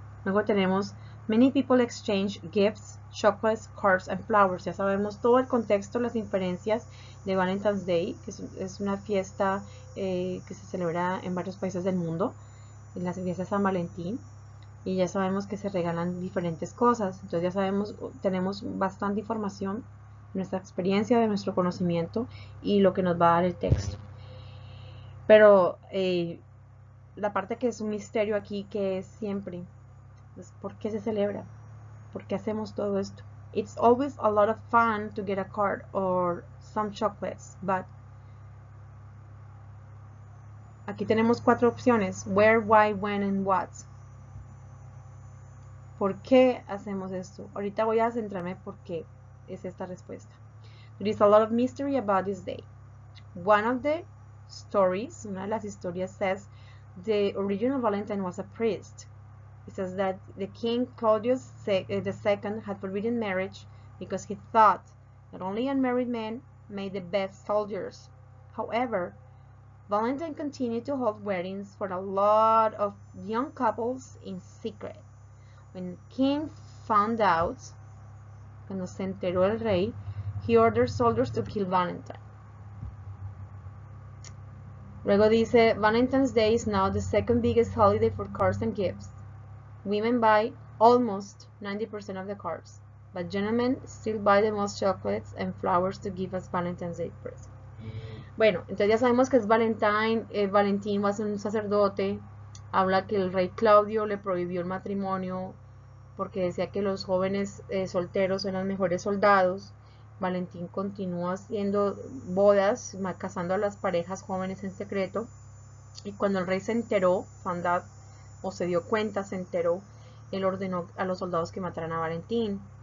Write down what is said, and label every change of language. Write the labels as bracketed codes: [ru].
[es] Luego tenemos, [en] many people exchange gifts, chocolates, cards and flowers. [es] Ya sabemos todo el contexto, las inferencias de Valentine's Day, que es una fiesta que se celebra en varios países del mundo, en las fiestas de San Valentín. Y ya sabemos que se regalan diferentes cosas. Entonces ya sabemos, tenemos bastante información, nuestra experiencia, de nuestro conocimiento y lo que nos va a dar el texto. Pero la parte que es un misterio aquí, que es siempre, pues, ¿por qué se celebra? ¿Por qué hacemos todo esto? [en] It's always a lot of fun to get a card or some chocolates, but [es] aquí tenemos cuatro opciones: [en] where, why, when and what. [es] ¿Por qué hacemos esto? Ahorita voy a centrarme por qué es esta respuesta. [en] There is a lot of mystery about this day. One of the stories, [es] una de las historias, [en] says the original Valentine was a priest. It says that the king Claudius the second had forbidden marriage because he thought that only unmarried men made the best soldiers. However, Valentine continued to hold weddings for a lot of young couples in secret. When the king found out, [es] cuando se enteró el rey, [en] he ordered soldiers to kill Valentine. [es] Luego dice, [en] Valentine's Day is now the second biggest holiday for cards and gifts. Women buy almost 90% of the cards, but gentlemen still buy the most chocolates and flowers to give as Valentine's Day present. [es] Bueno, entonces ya sabemos que es Valentine, Valentín va a ser un sacerdote, habla que el rey Claudio le prohibió el matrimonio porque decía que los jóvenes solteros eran mejores soldados. Valentín continuó haciendo bodas, casando a las parejas jóvenes en secreto, y cuando el rey se enteró, Fandad, o se dio cuenta, se enteró, él ordenó a los soldados que mataran a Valentín.